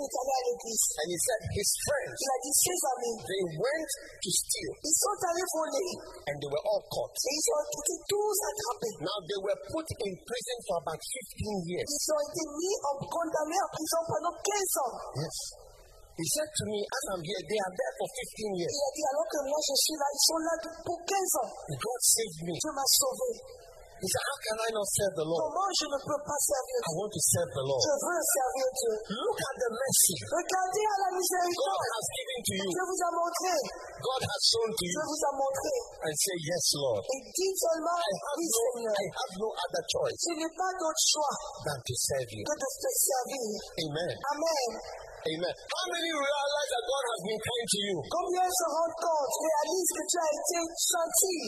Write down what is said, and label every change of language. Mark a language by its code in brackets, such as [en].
[en] And he said his friends. They went to steal. And they were all caught. Now they were put in prison for about 15 years. Yes. He said to me, as I'm here, they are there for 15 years. [fr] Il a dit, alors que moi je suis là, ils sont là pour 15 ans. [en] God saved me. [fr] Dieu m'a sauvé. [en] He said, how can I not serve the Lord? [fr] Comment je ne peux pas servir Dieu? [en] I want to serve the Lord. [fr] Je veux servir Dieu. [en] Look at the mercy. [fr] Regardez à la miséricorde. [en] God has given to you. [fr] Je vous a montré. [en] God has shown to you. [fr] Je vous a montré. [en] And say, yes, Lord. [fr] Et dis seulement, oui, Seigneur. [en] I have no other choice. [fr] Je n'ai pas d'autre choix. [en] Than to serve you. [fr] Que de te servir. [en] Amen. Amen. Amen. How many realize that God has been kind to you? [fr] Combien se rend compte, réalise que tu as été gentil.